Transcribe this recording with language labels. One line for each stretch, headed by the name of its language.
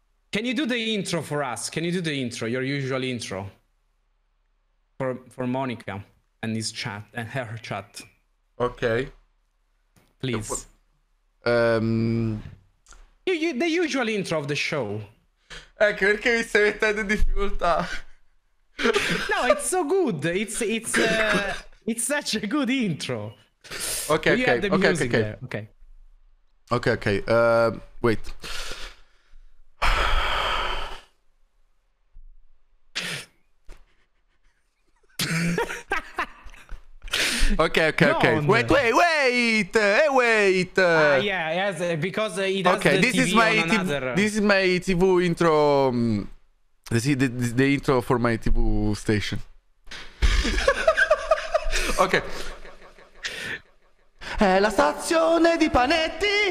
English: Can you do the intro for us? Can you do the intro, your usual intro? For Monica and his chat and her chat. Okay. Please. You, the usual intro of the show.
Italian: Ecco perché mi stai mettendo in difficoltà.
English: No, it's so good. It's such a good intro. Okay, okay. Okay, okay, okay. Okay, okay. Wait. Okay, okay, no, okay. Wait. Hey, wait. Yeah, because it has okay, the this TV is my on another. This is my TV intro. The intro for my TV station. Okay.
Italian: È la stazione di Panetti.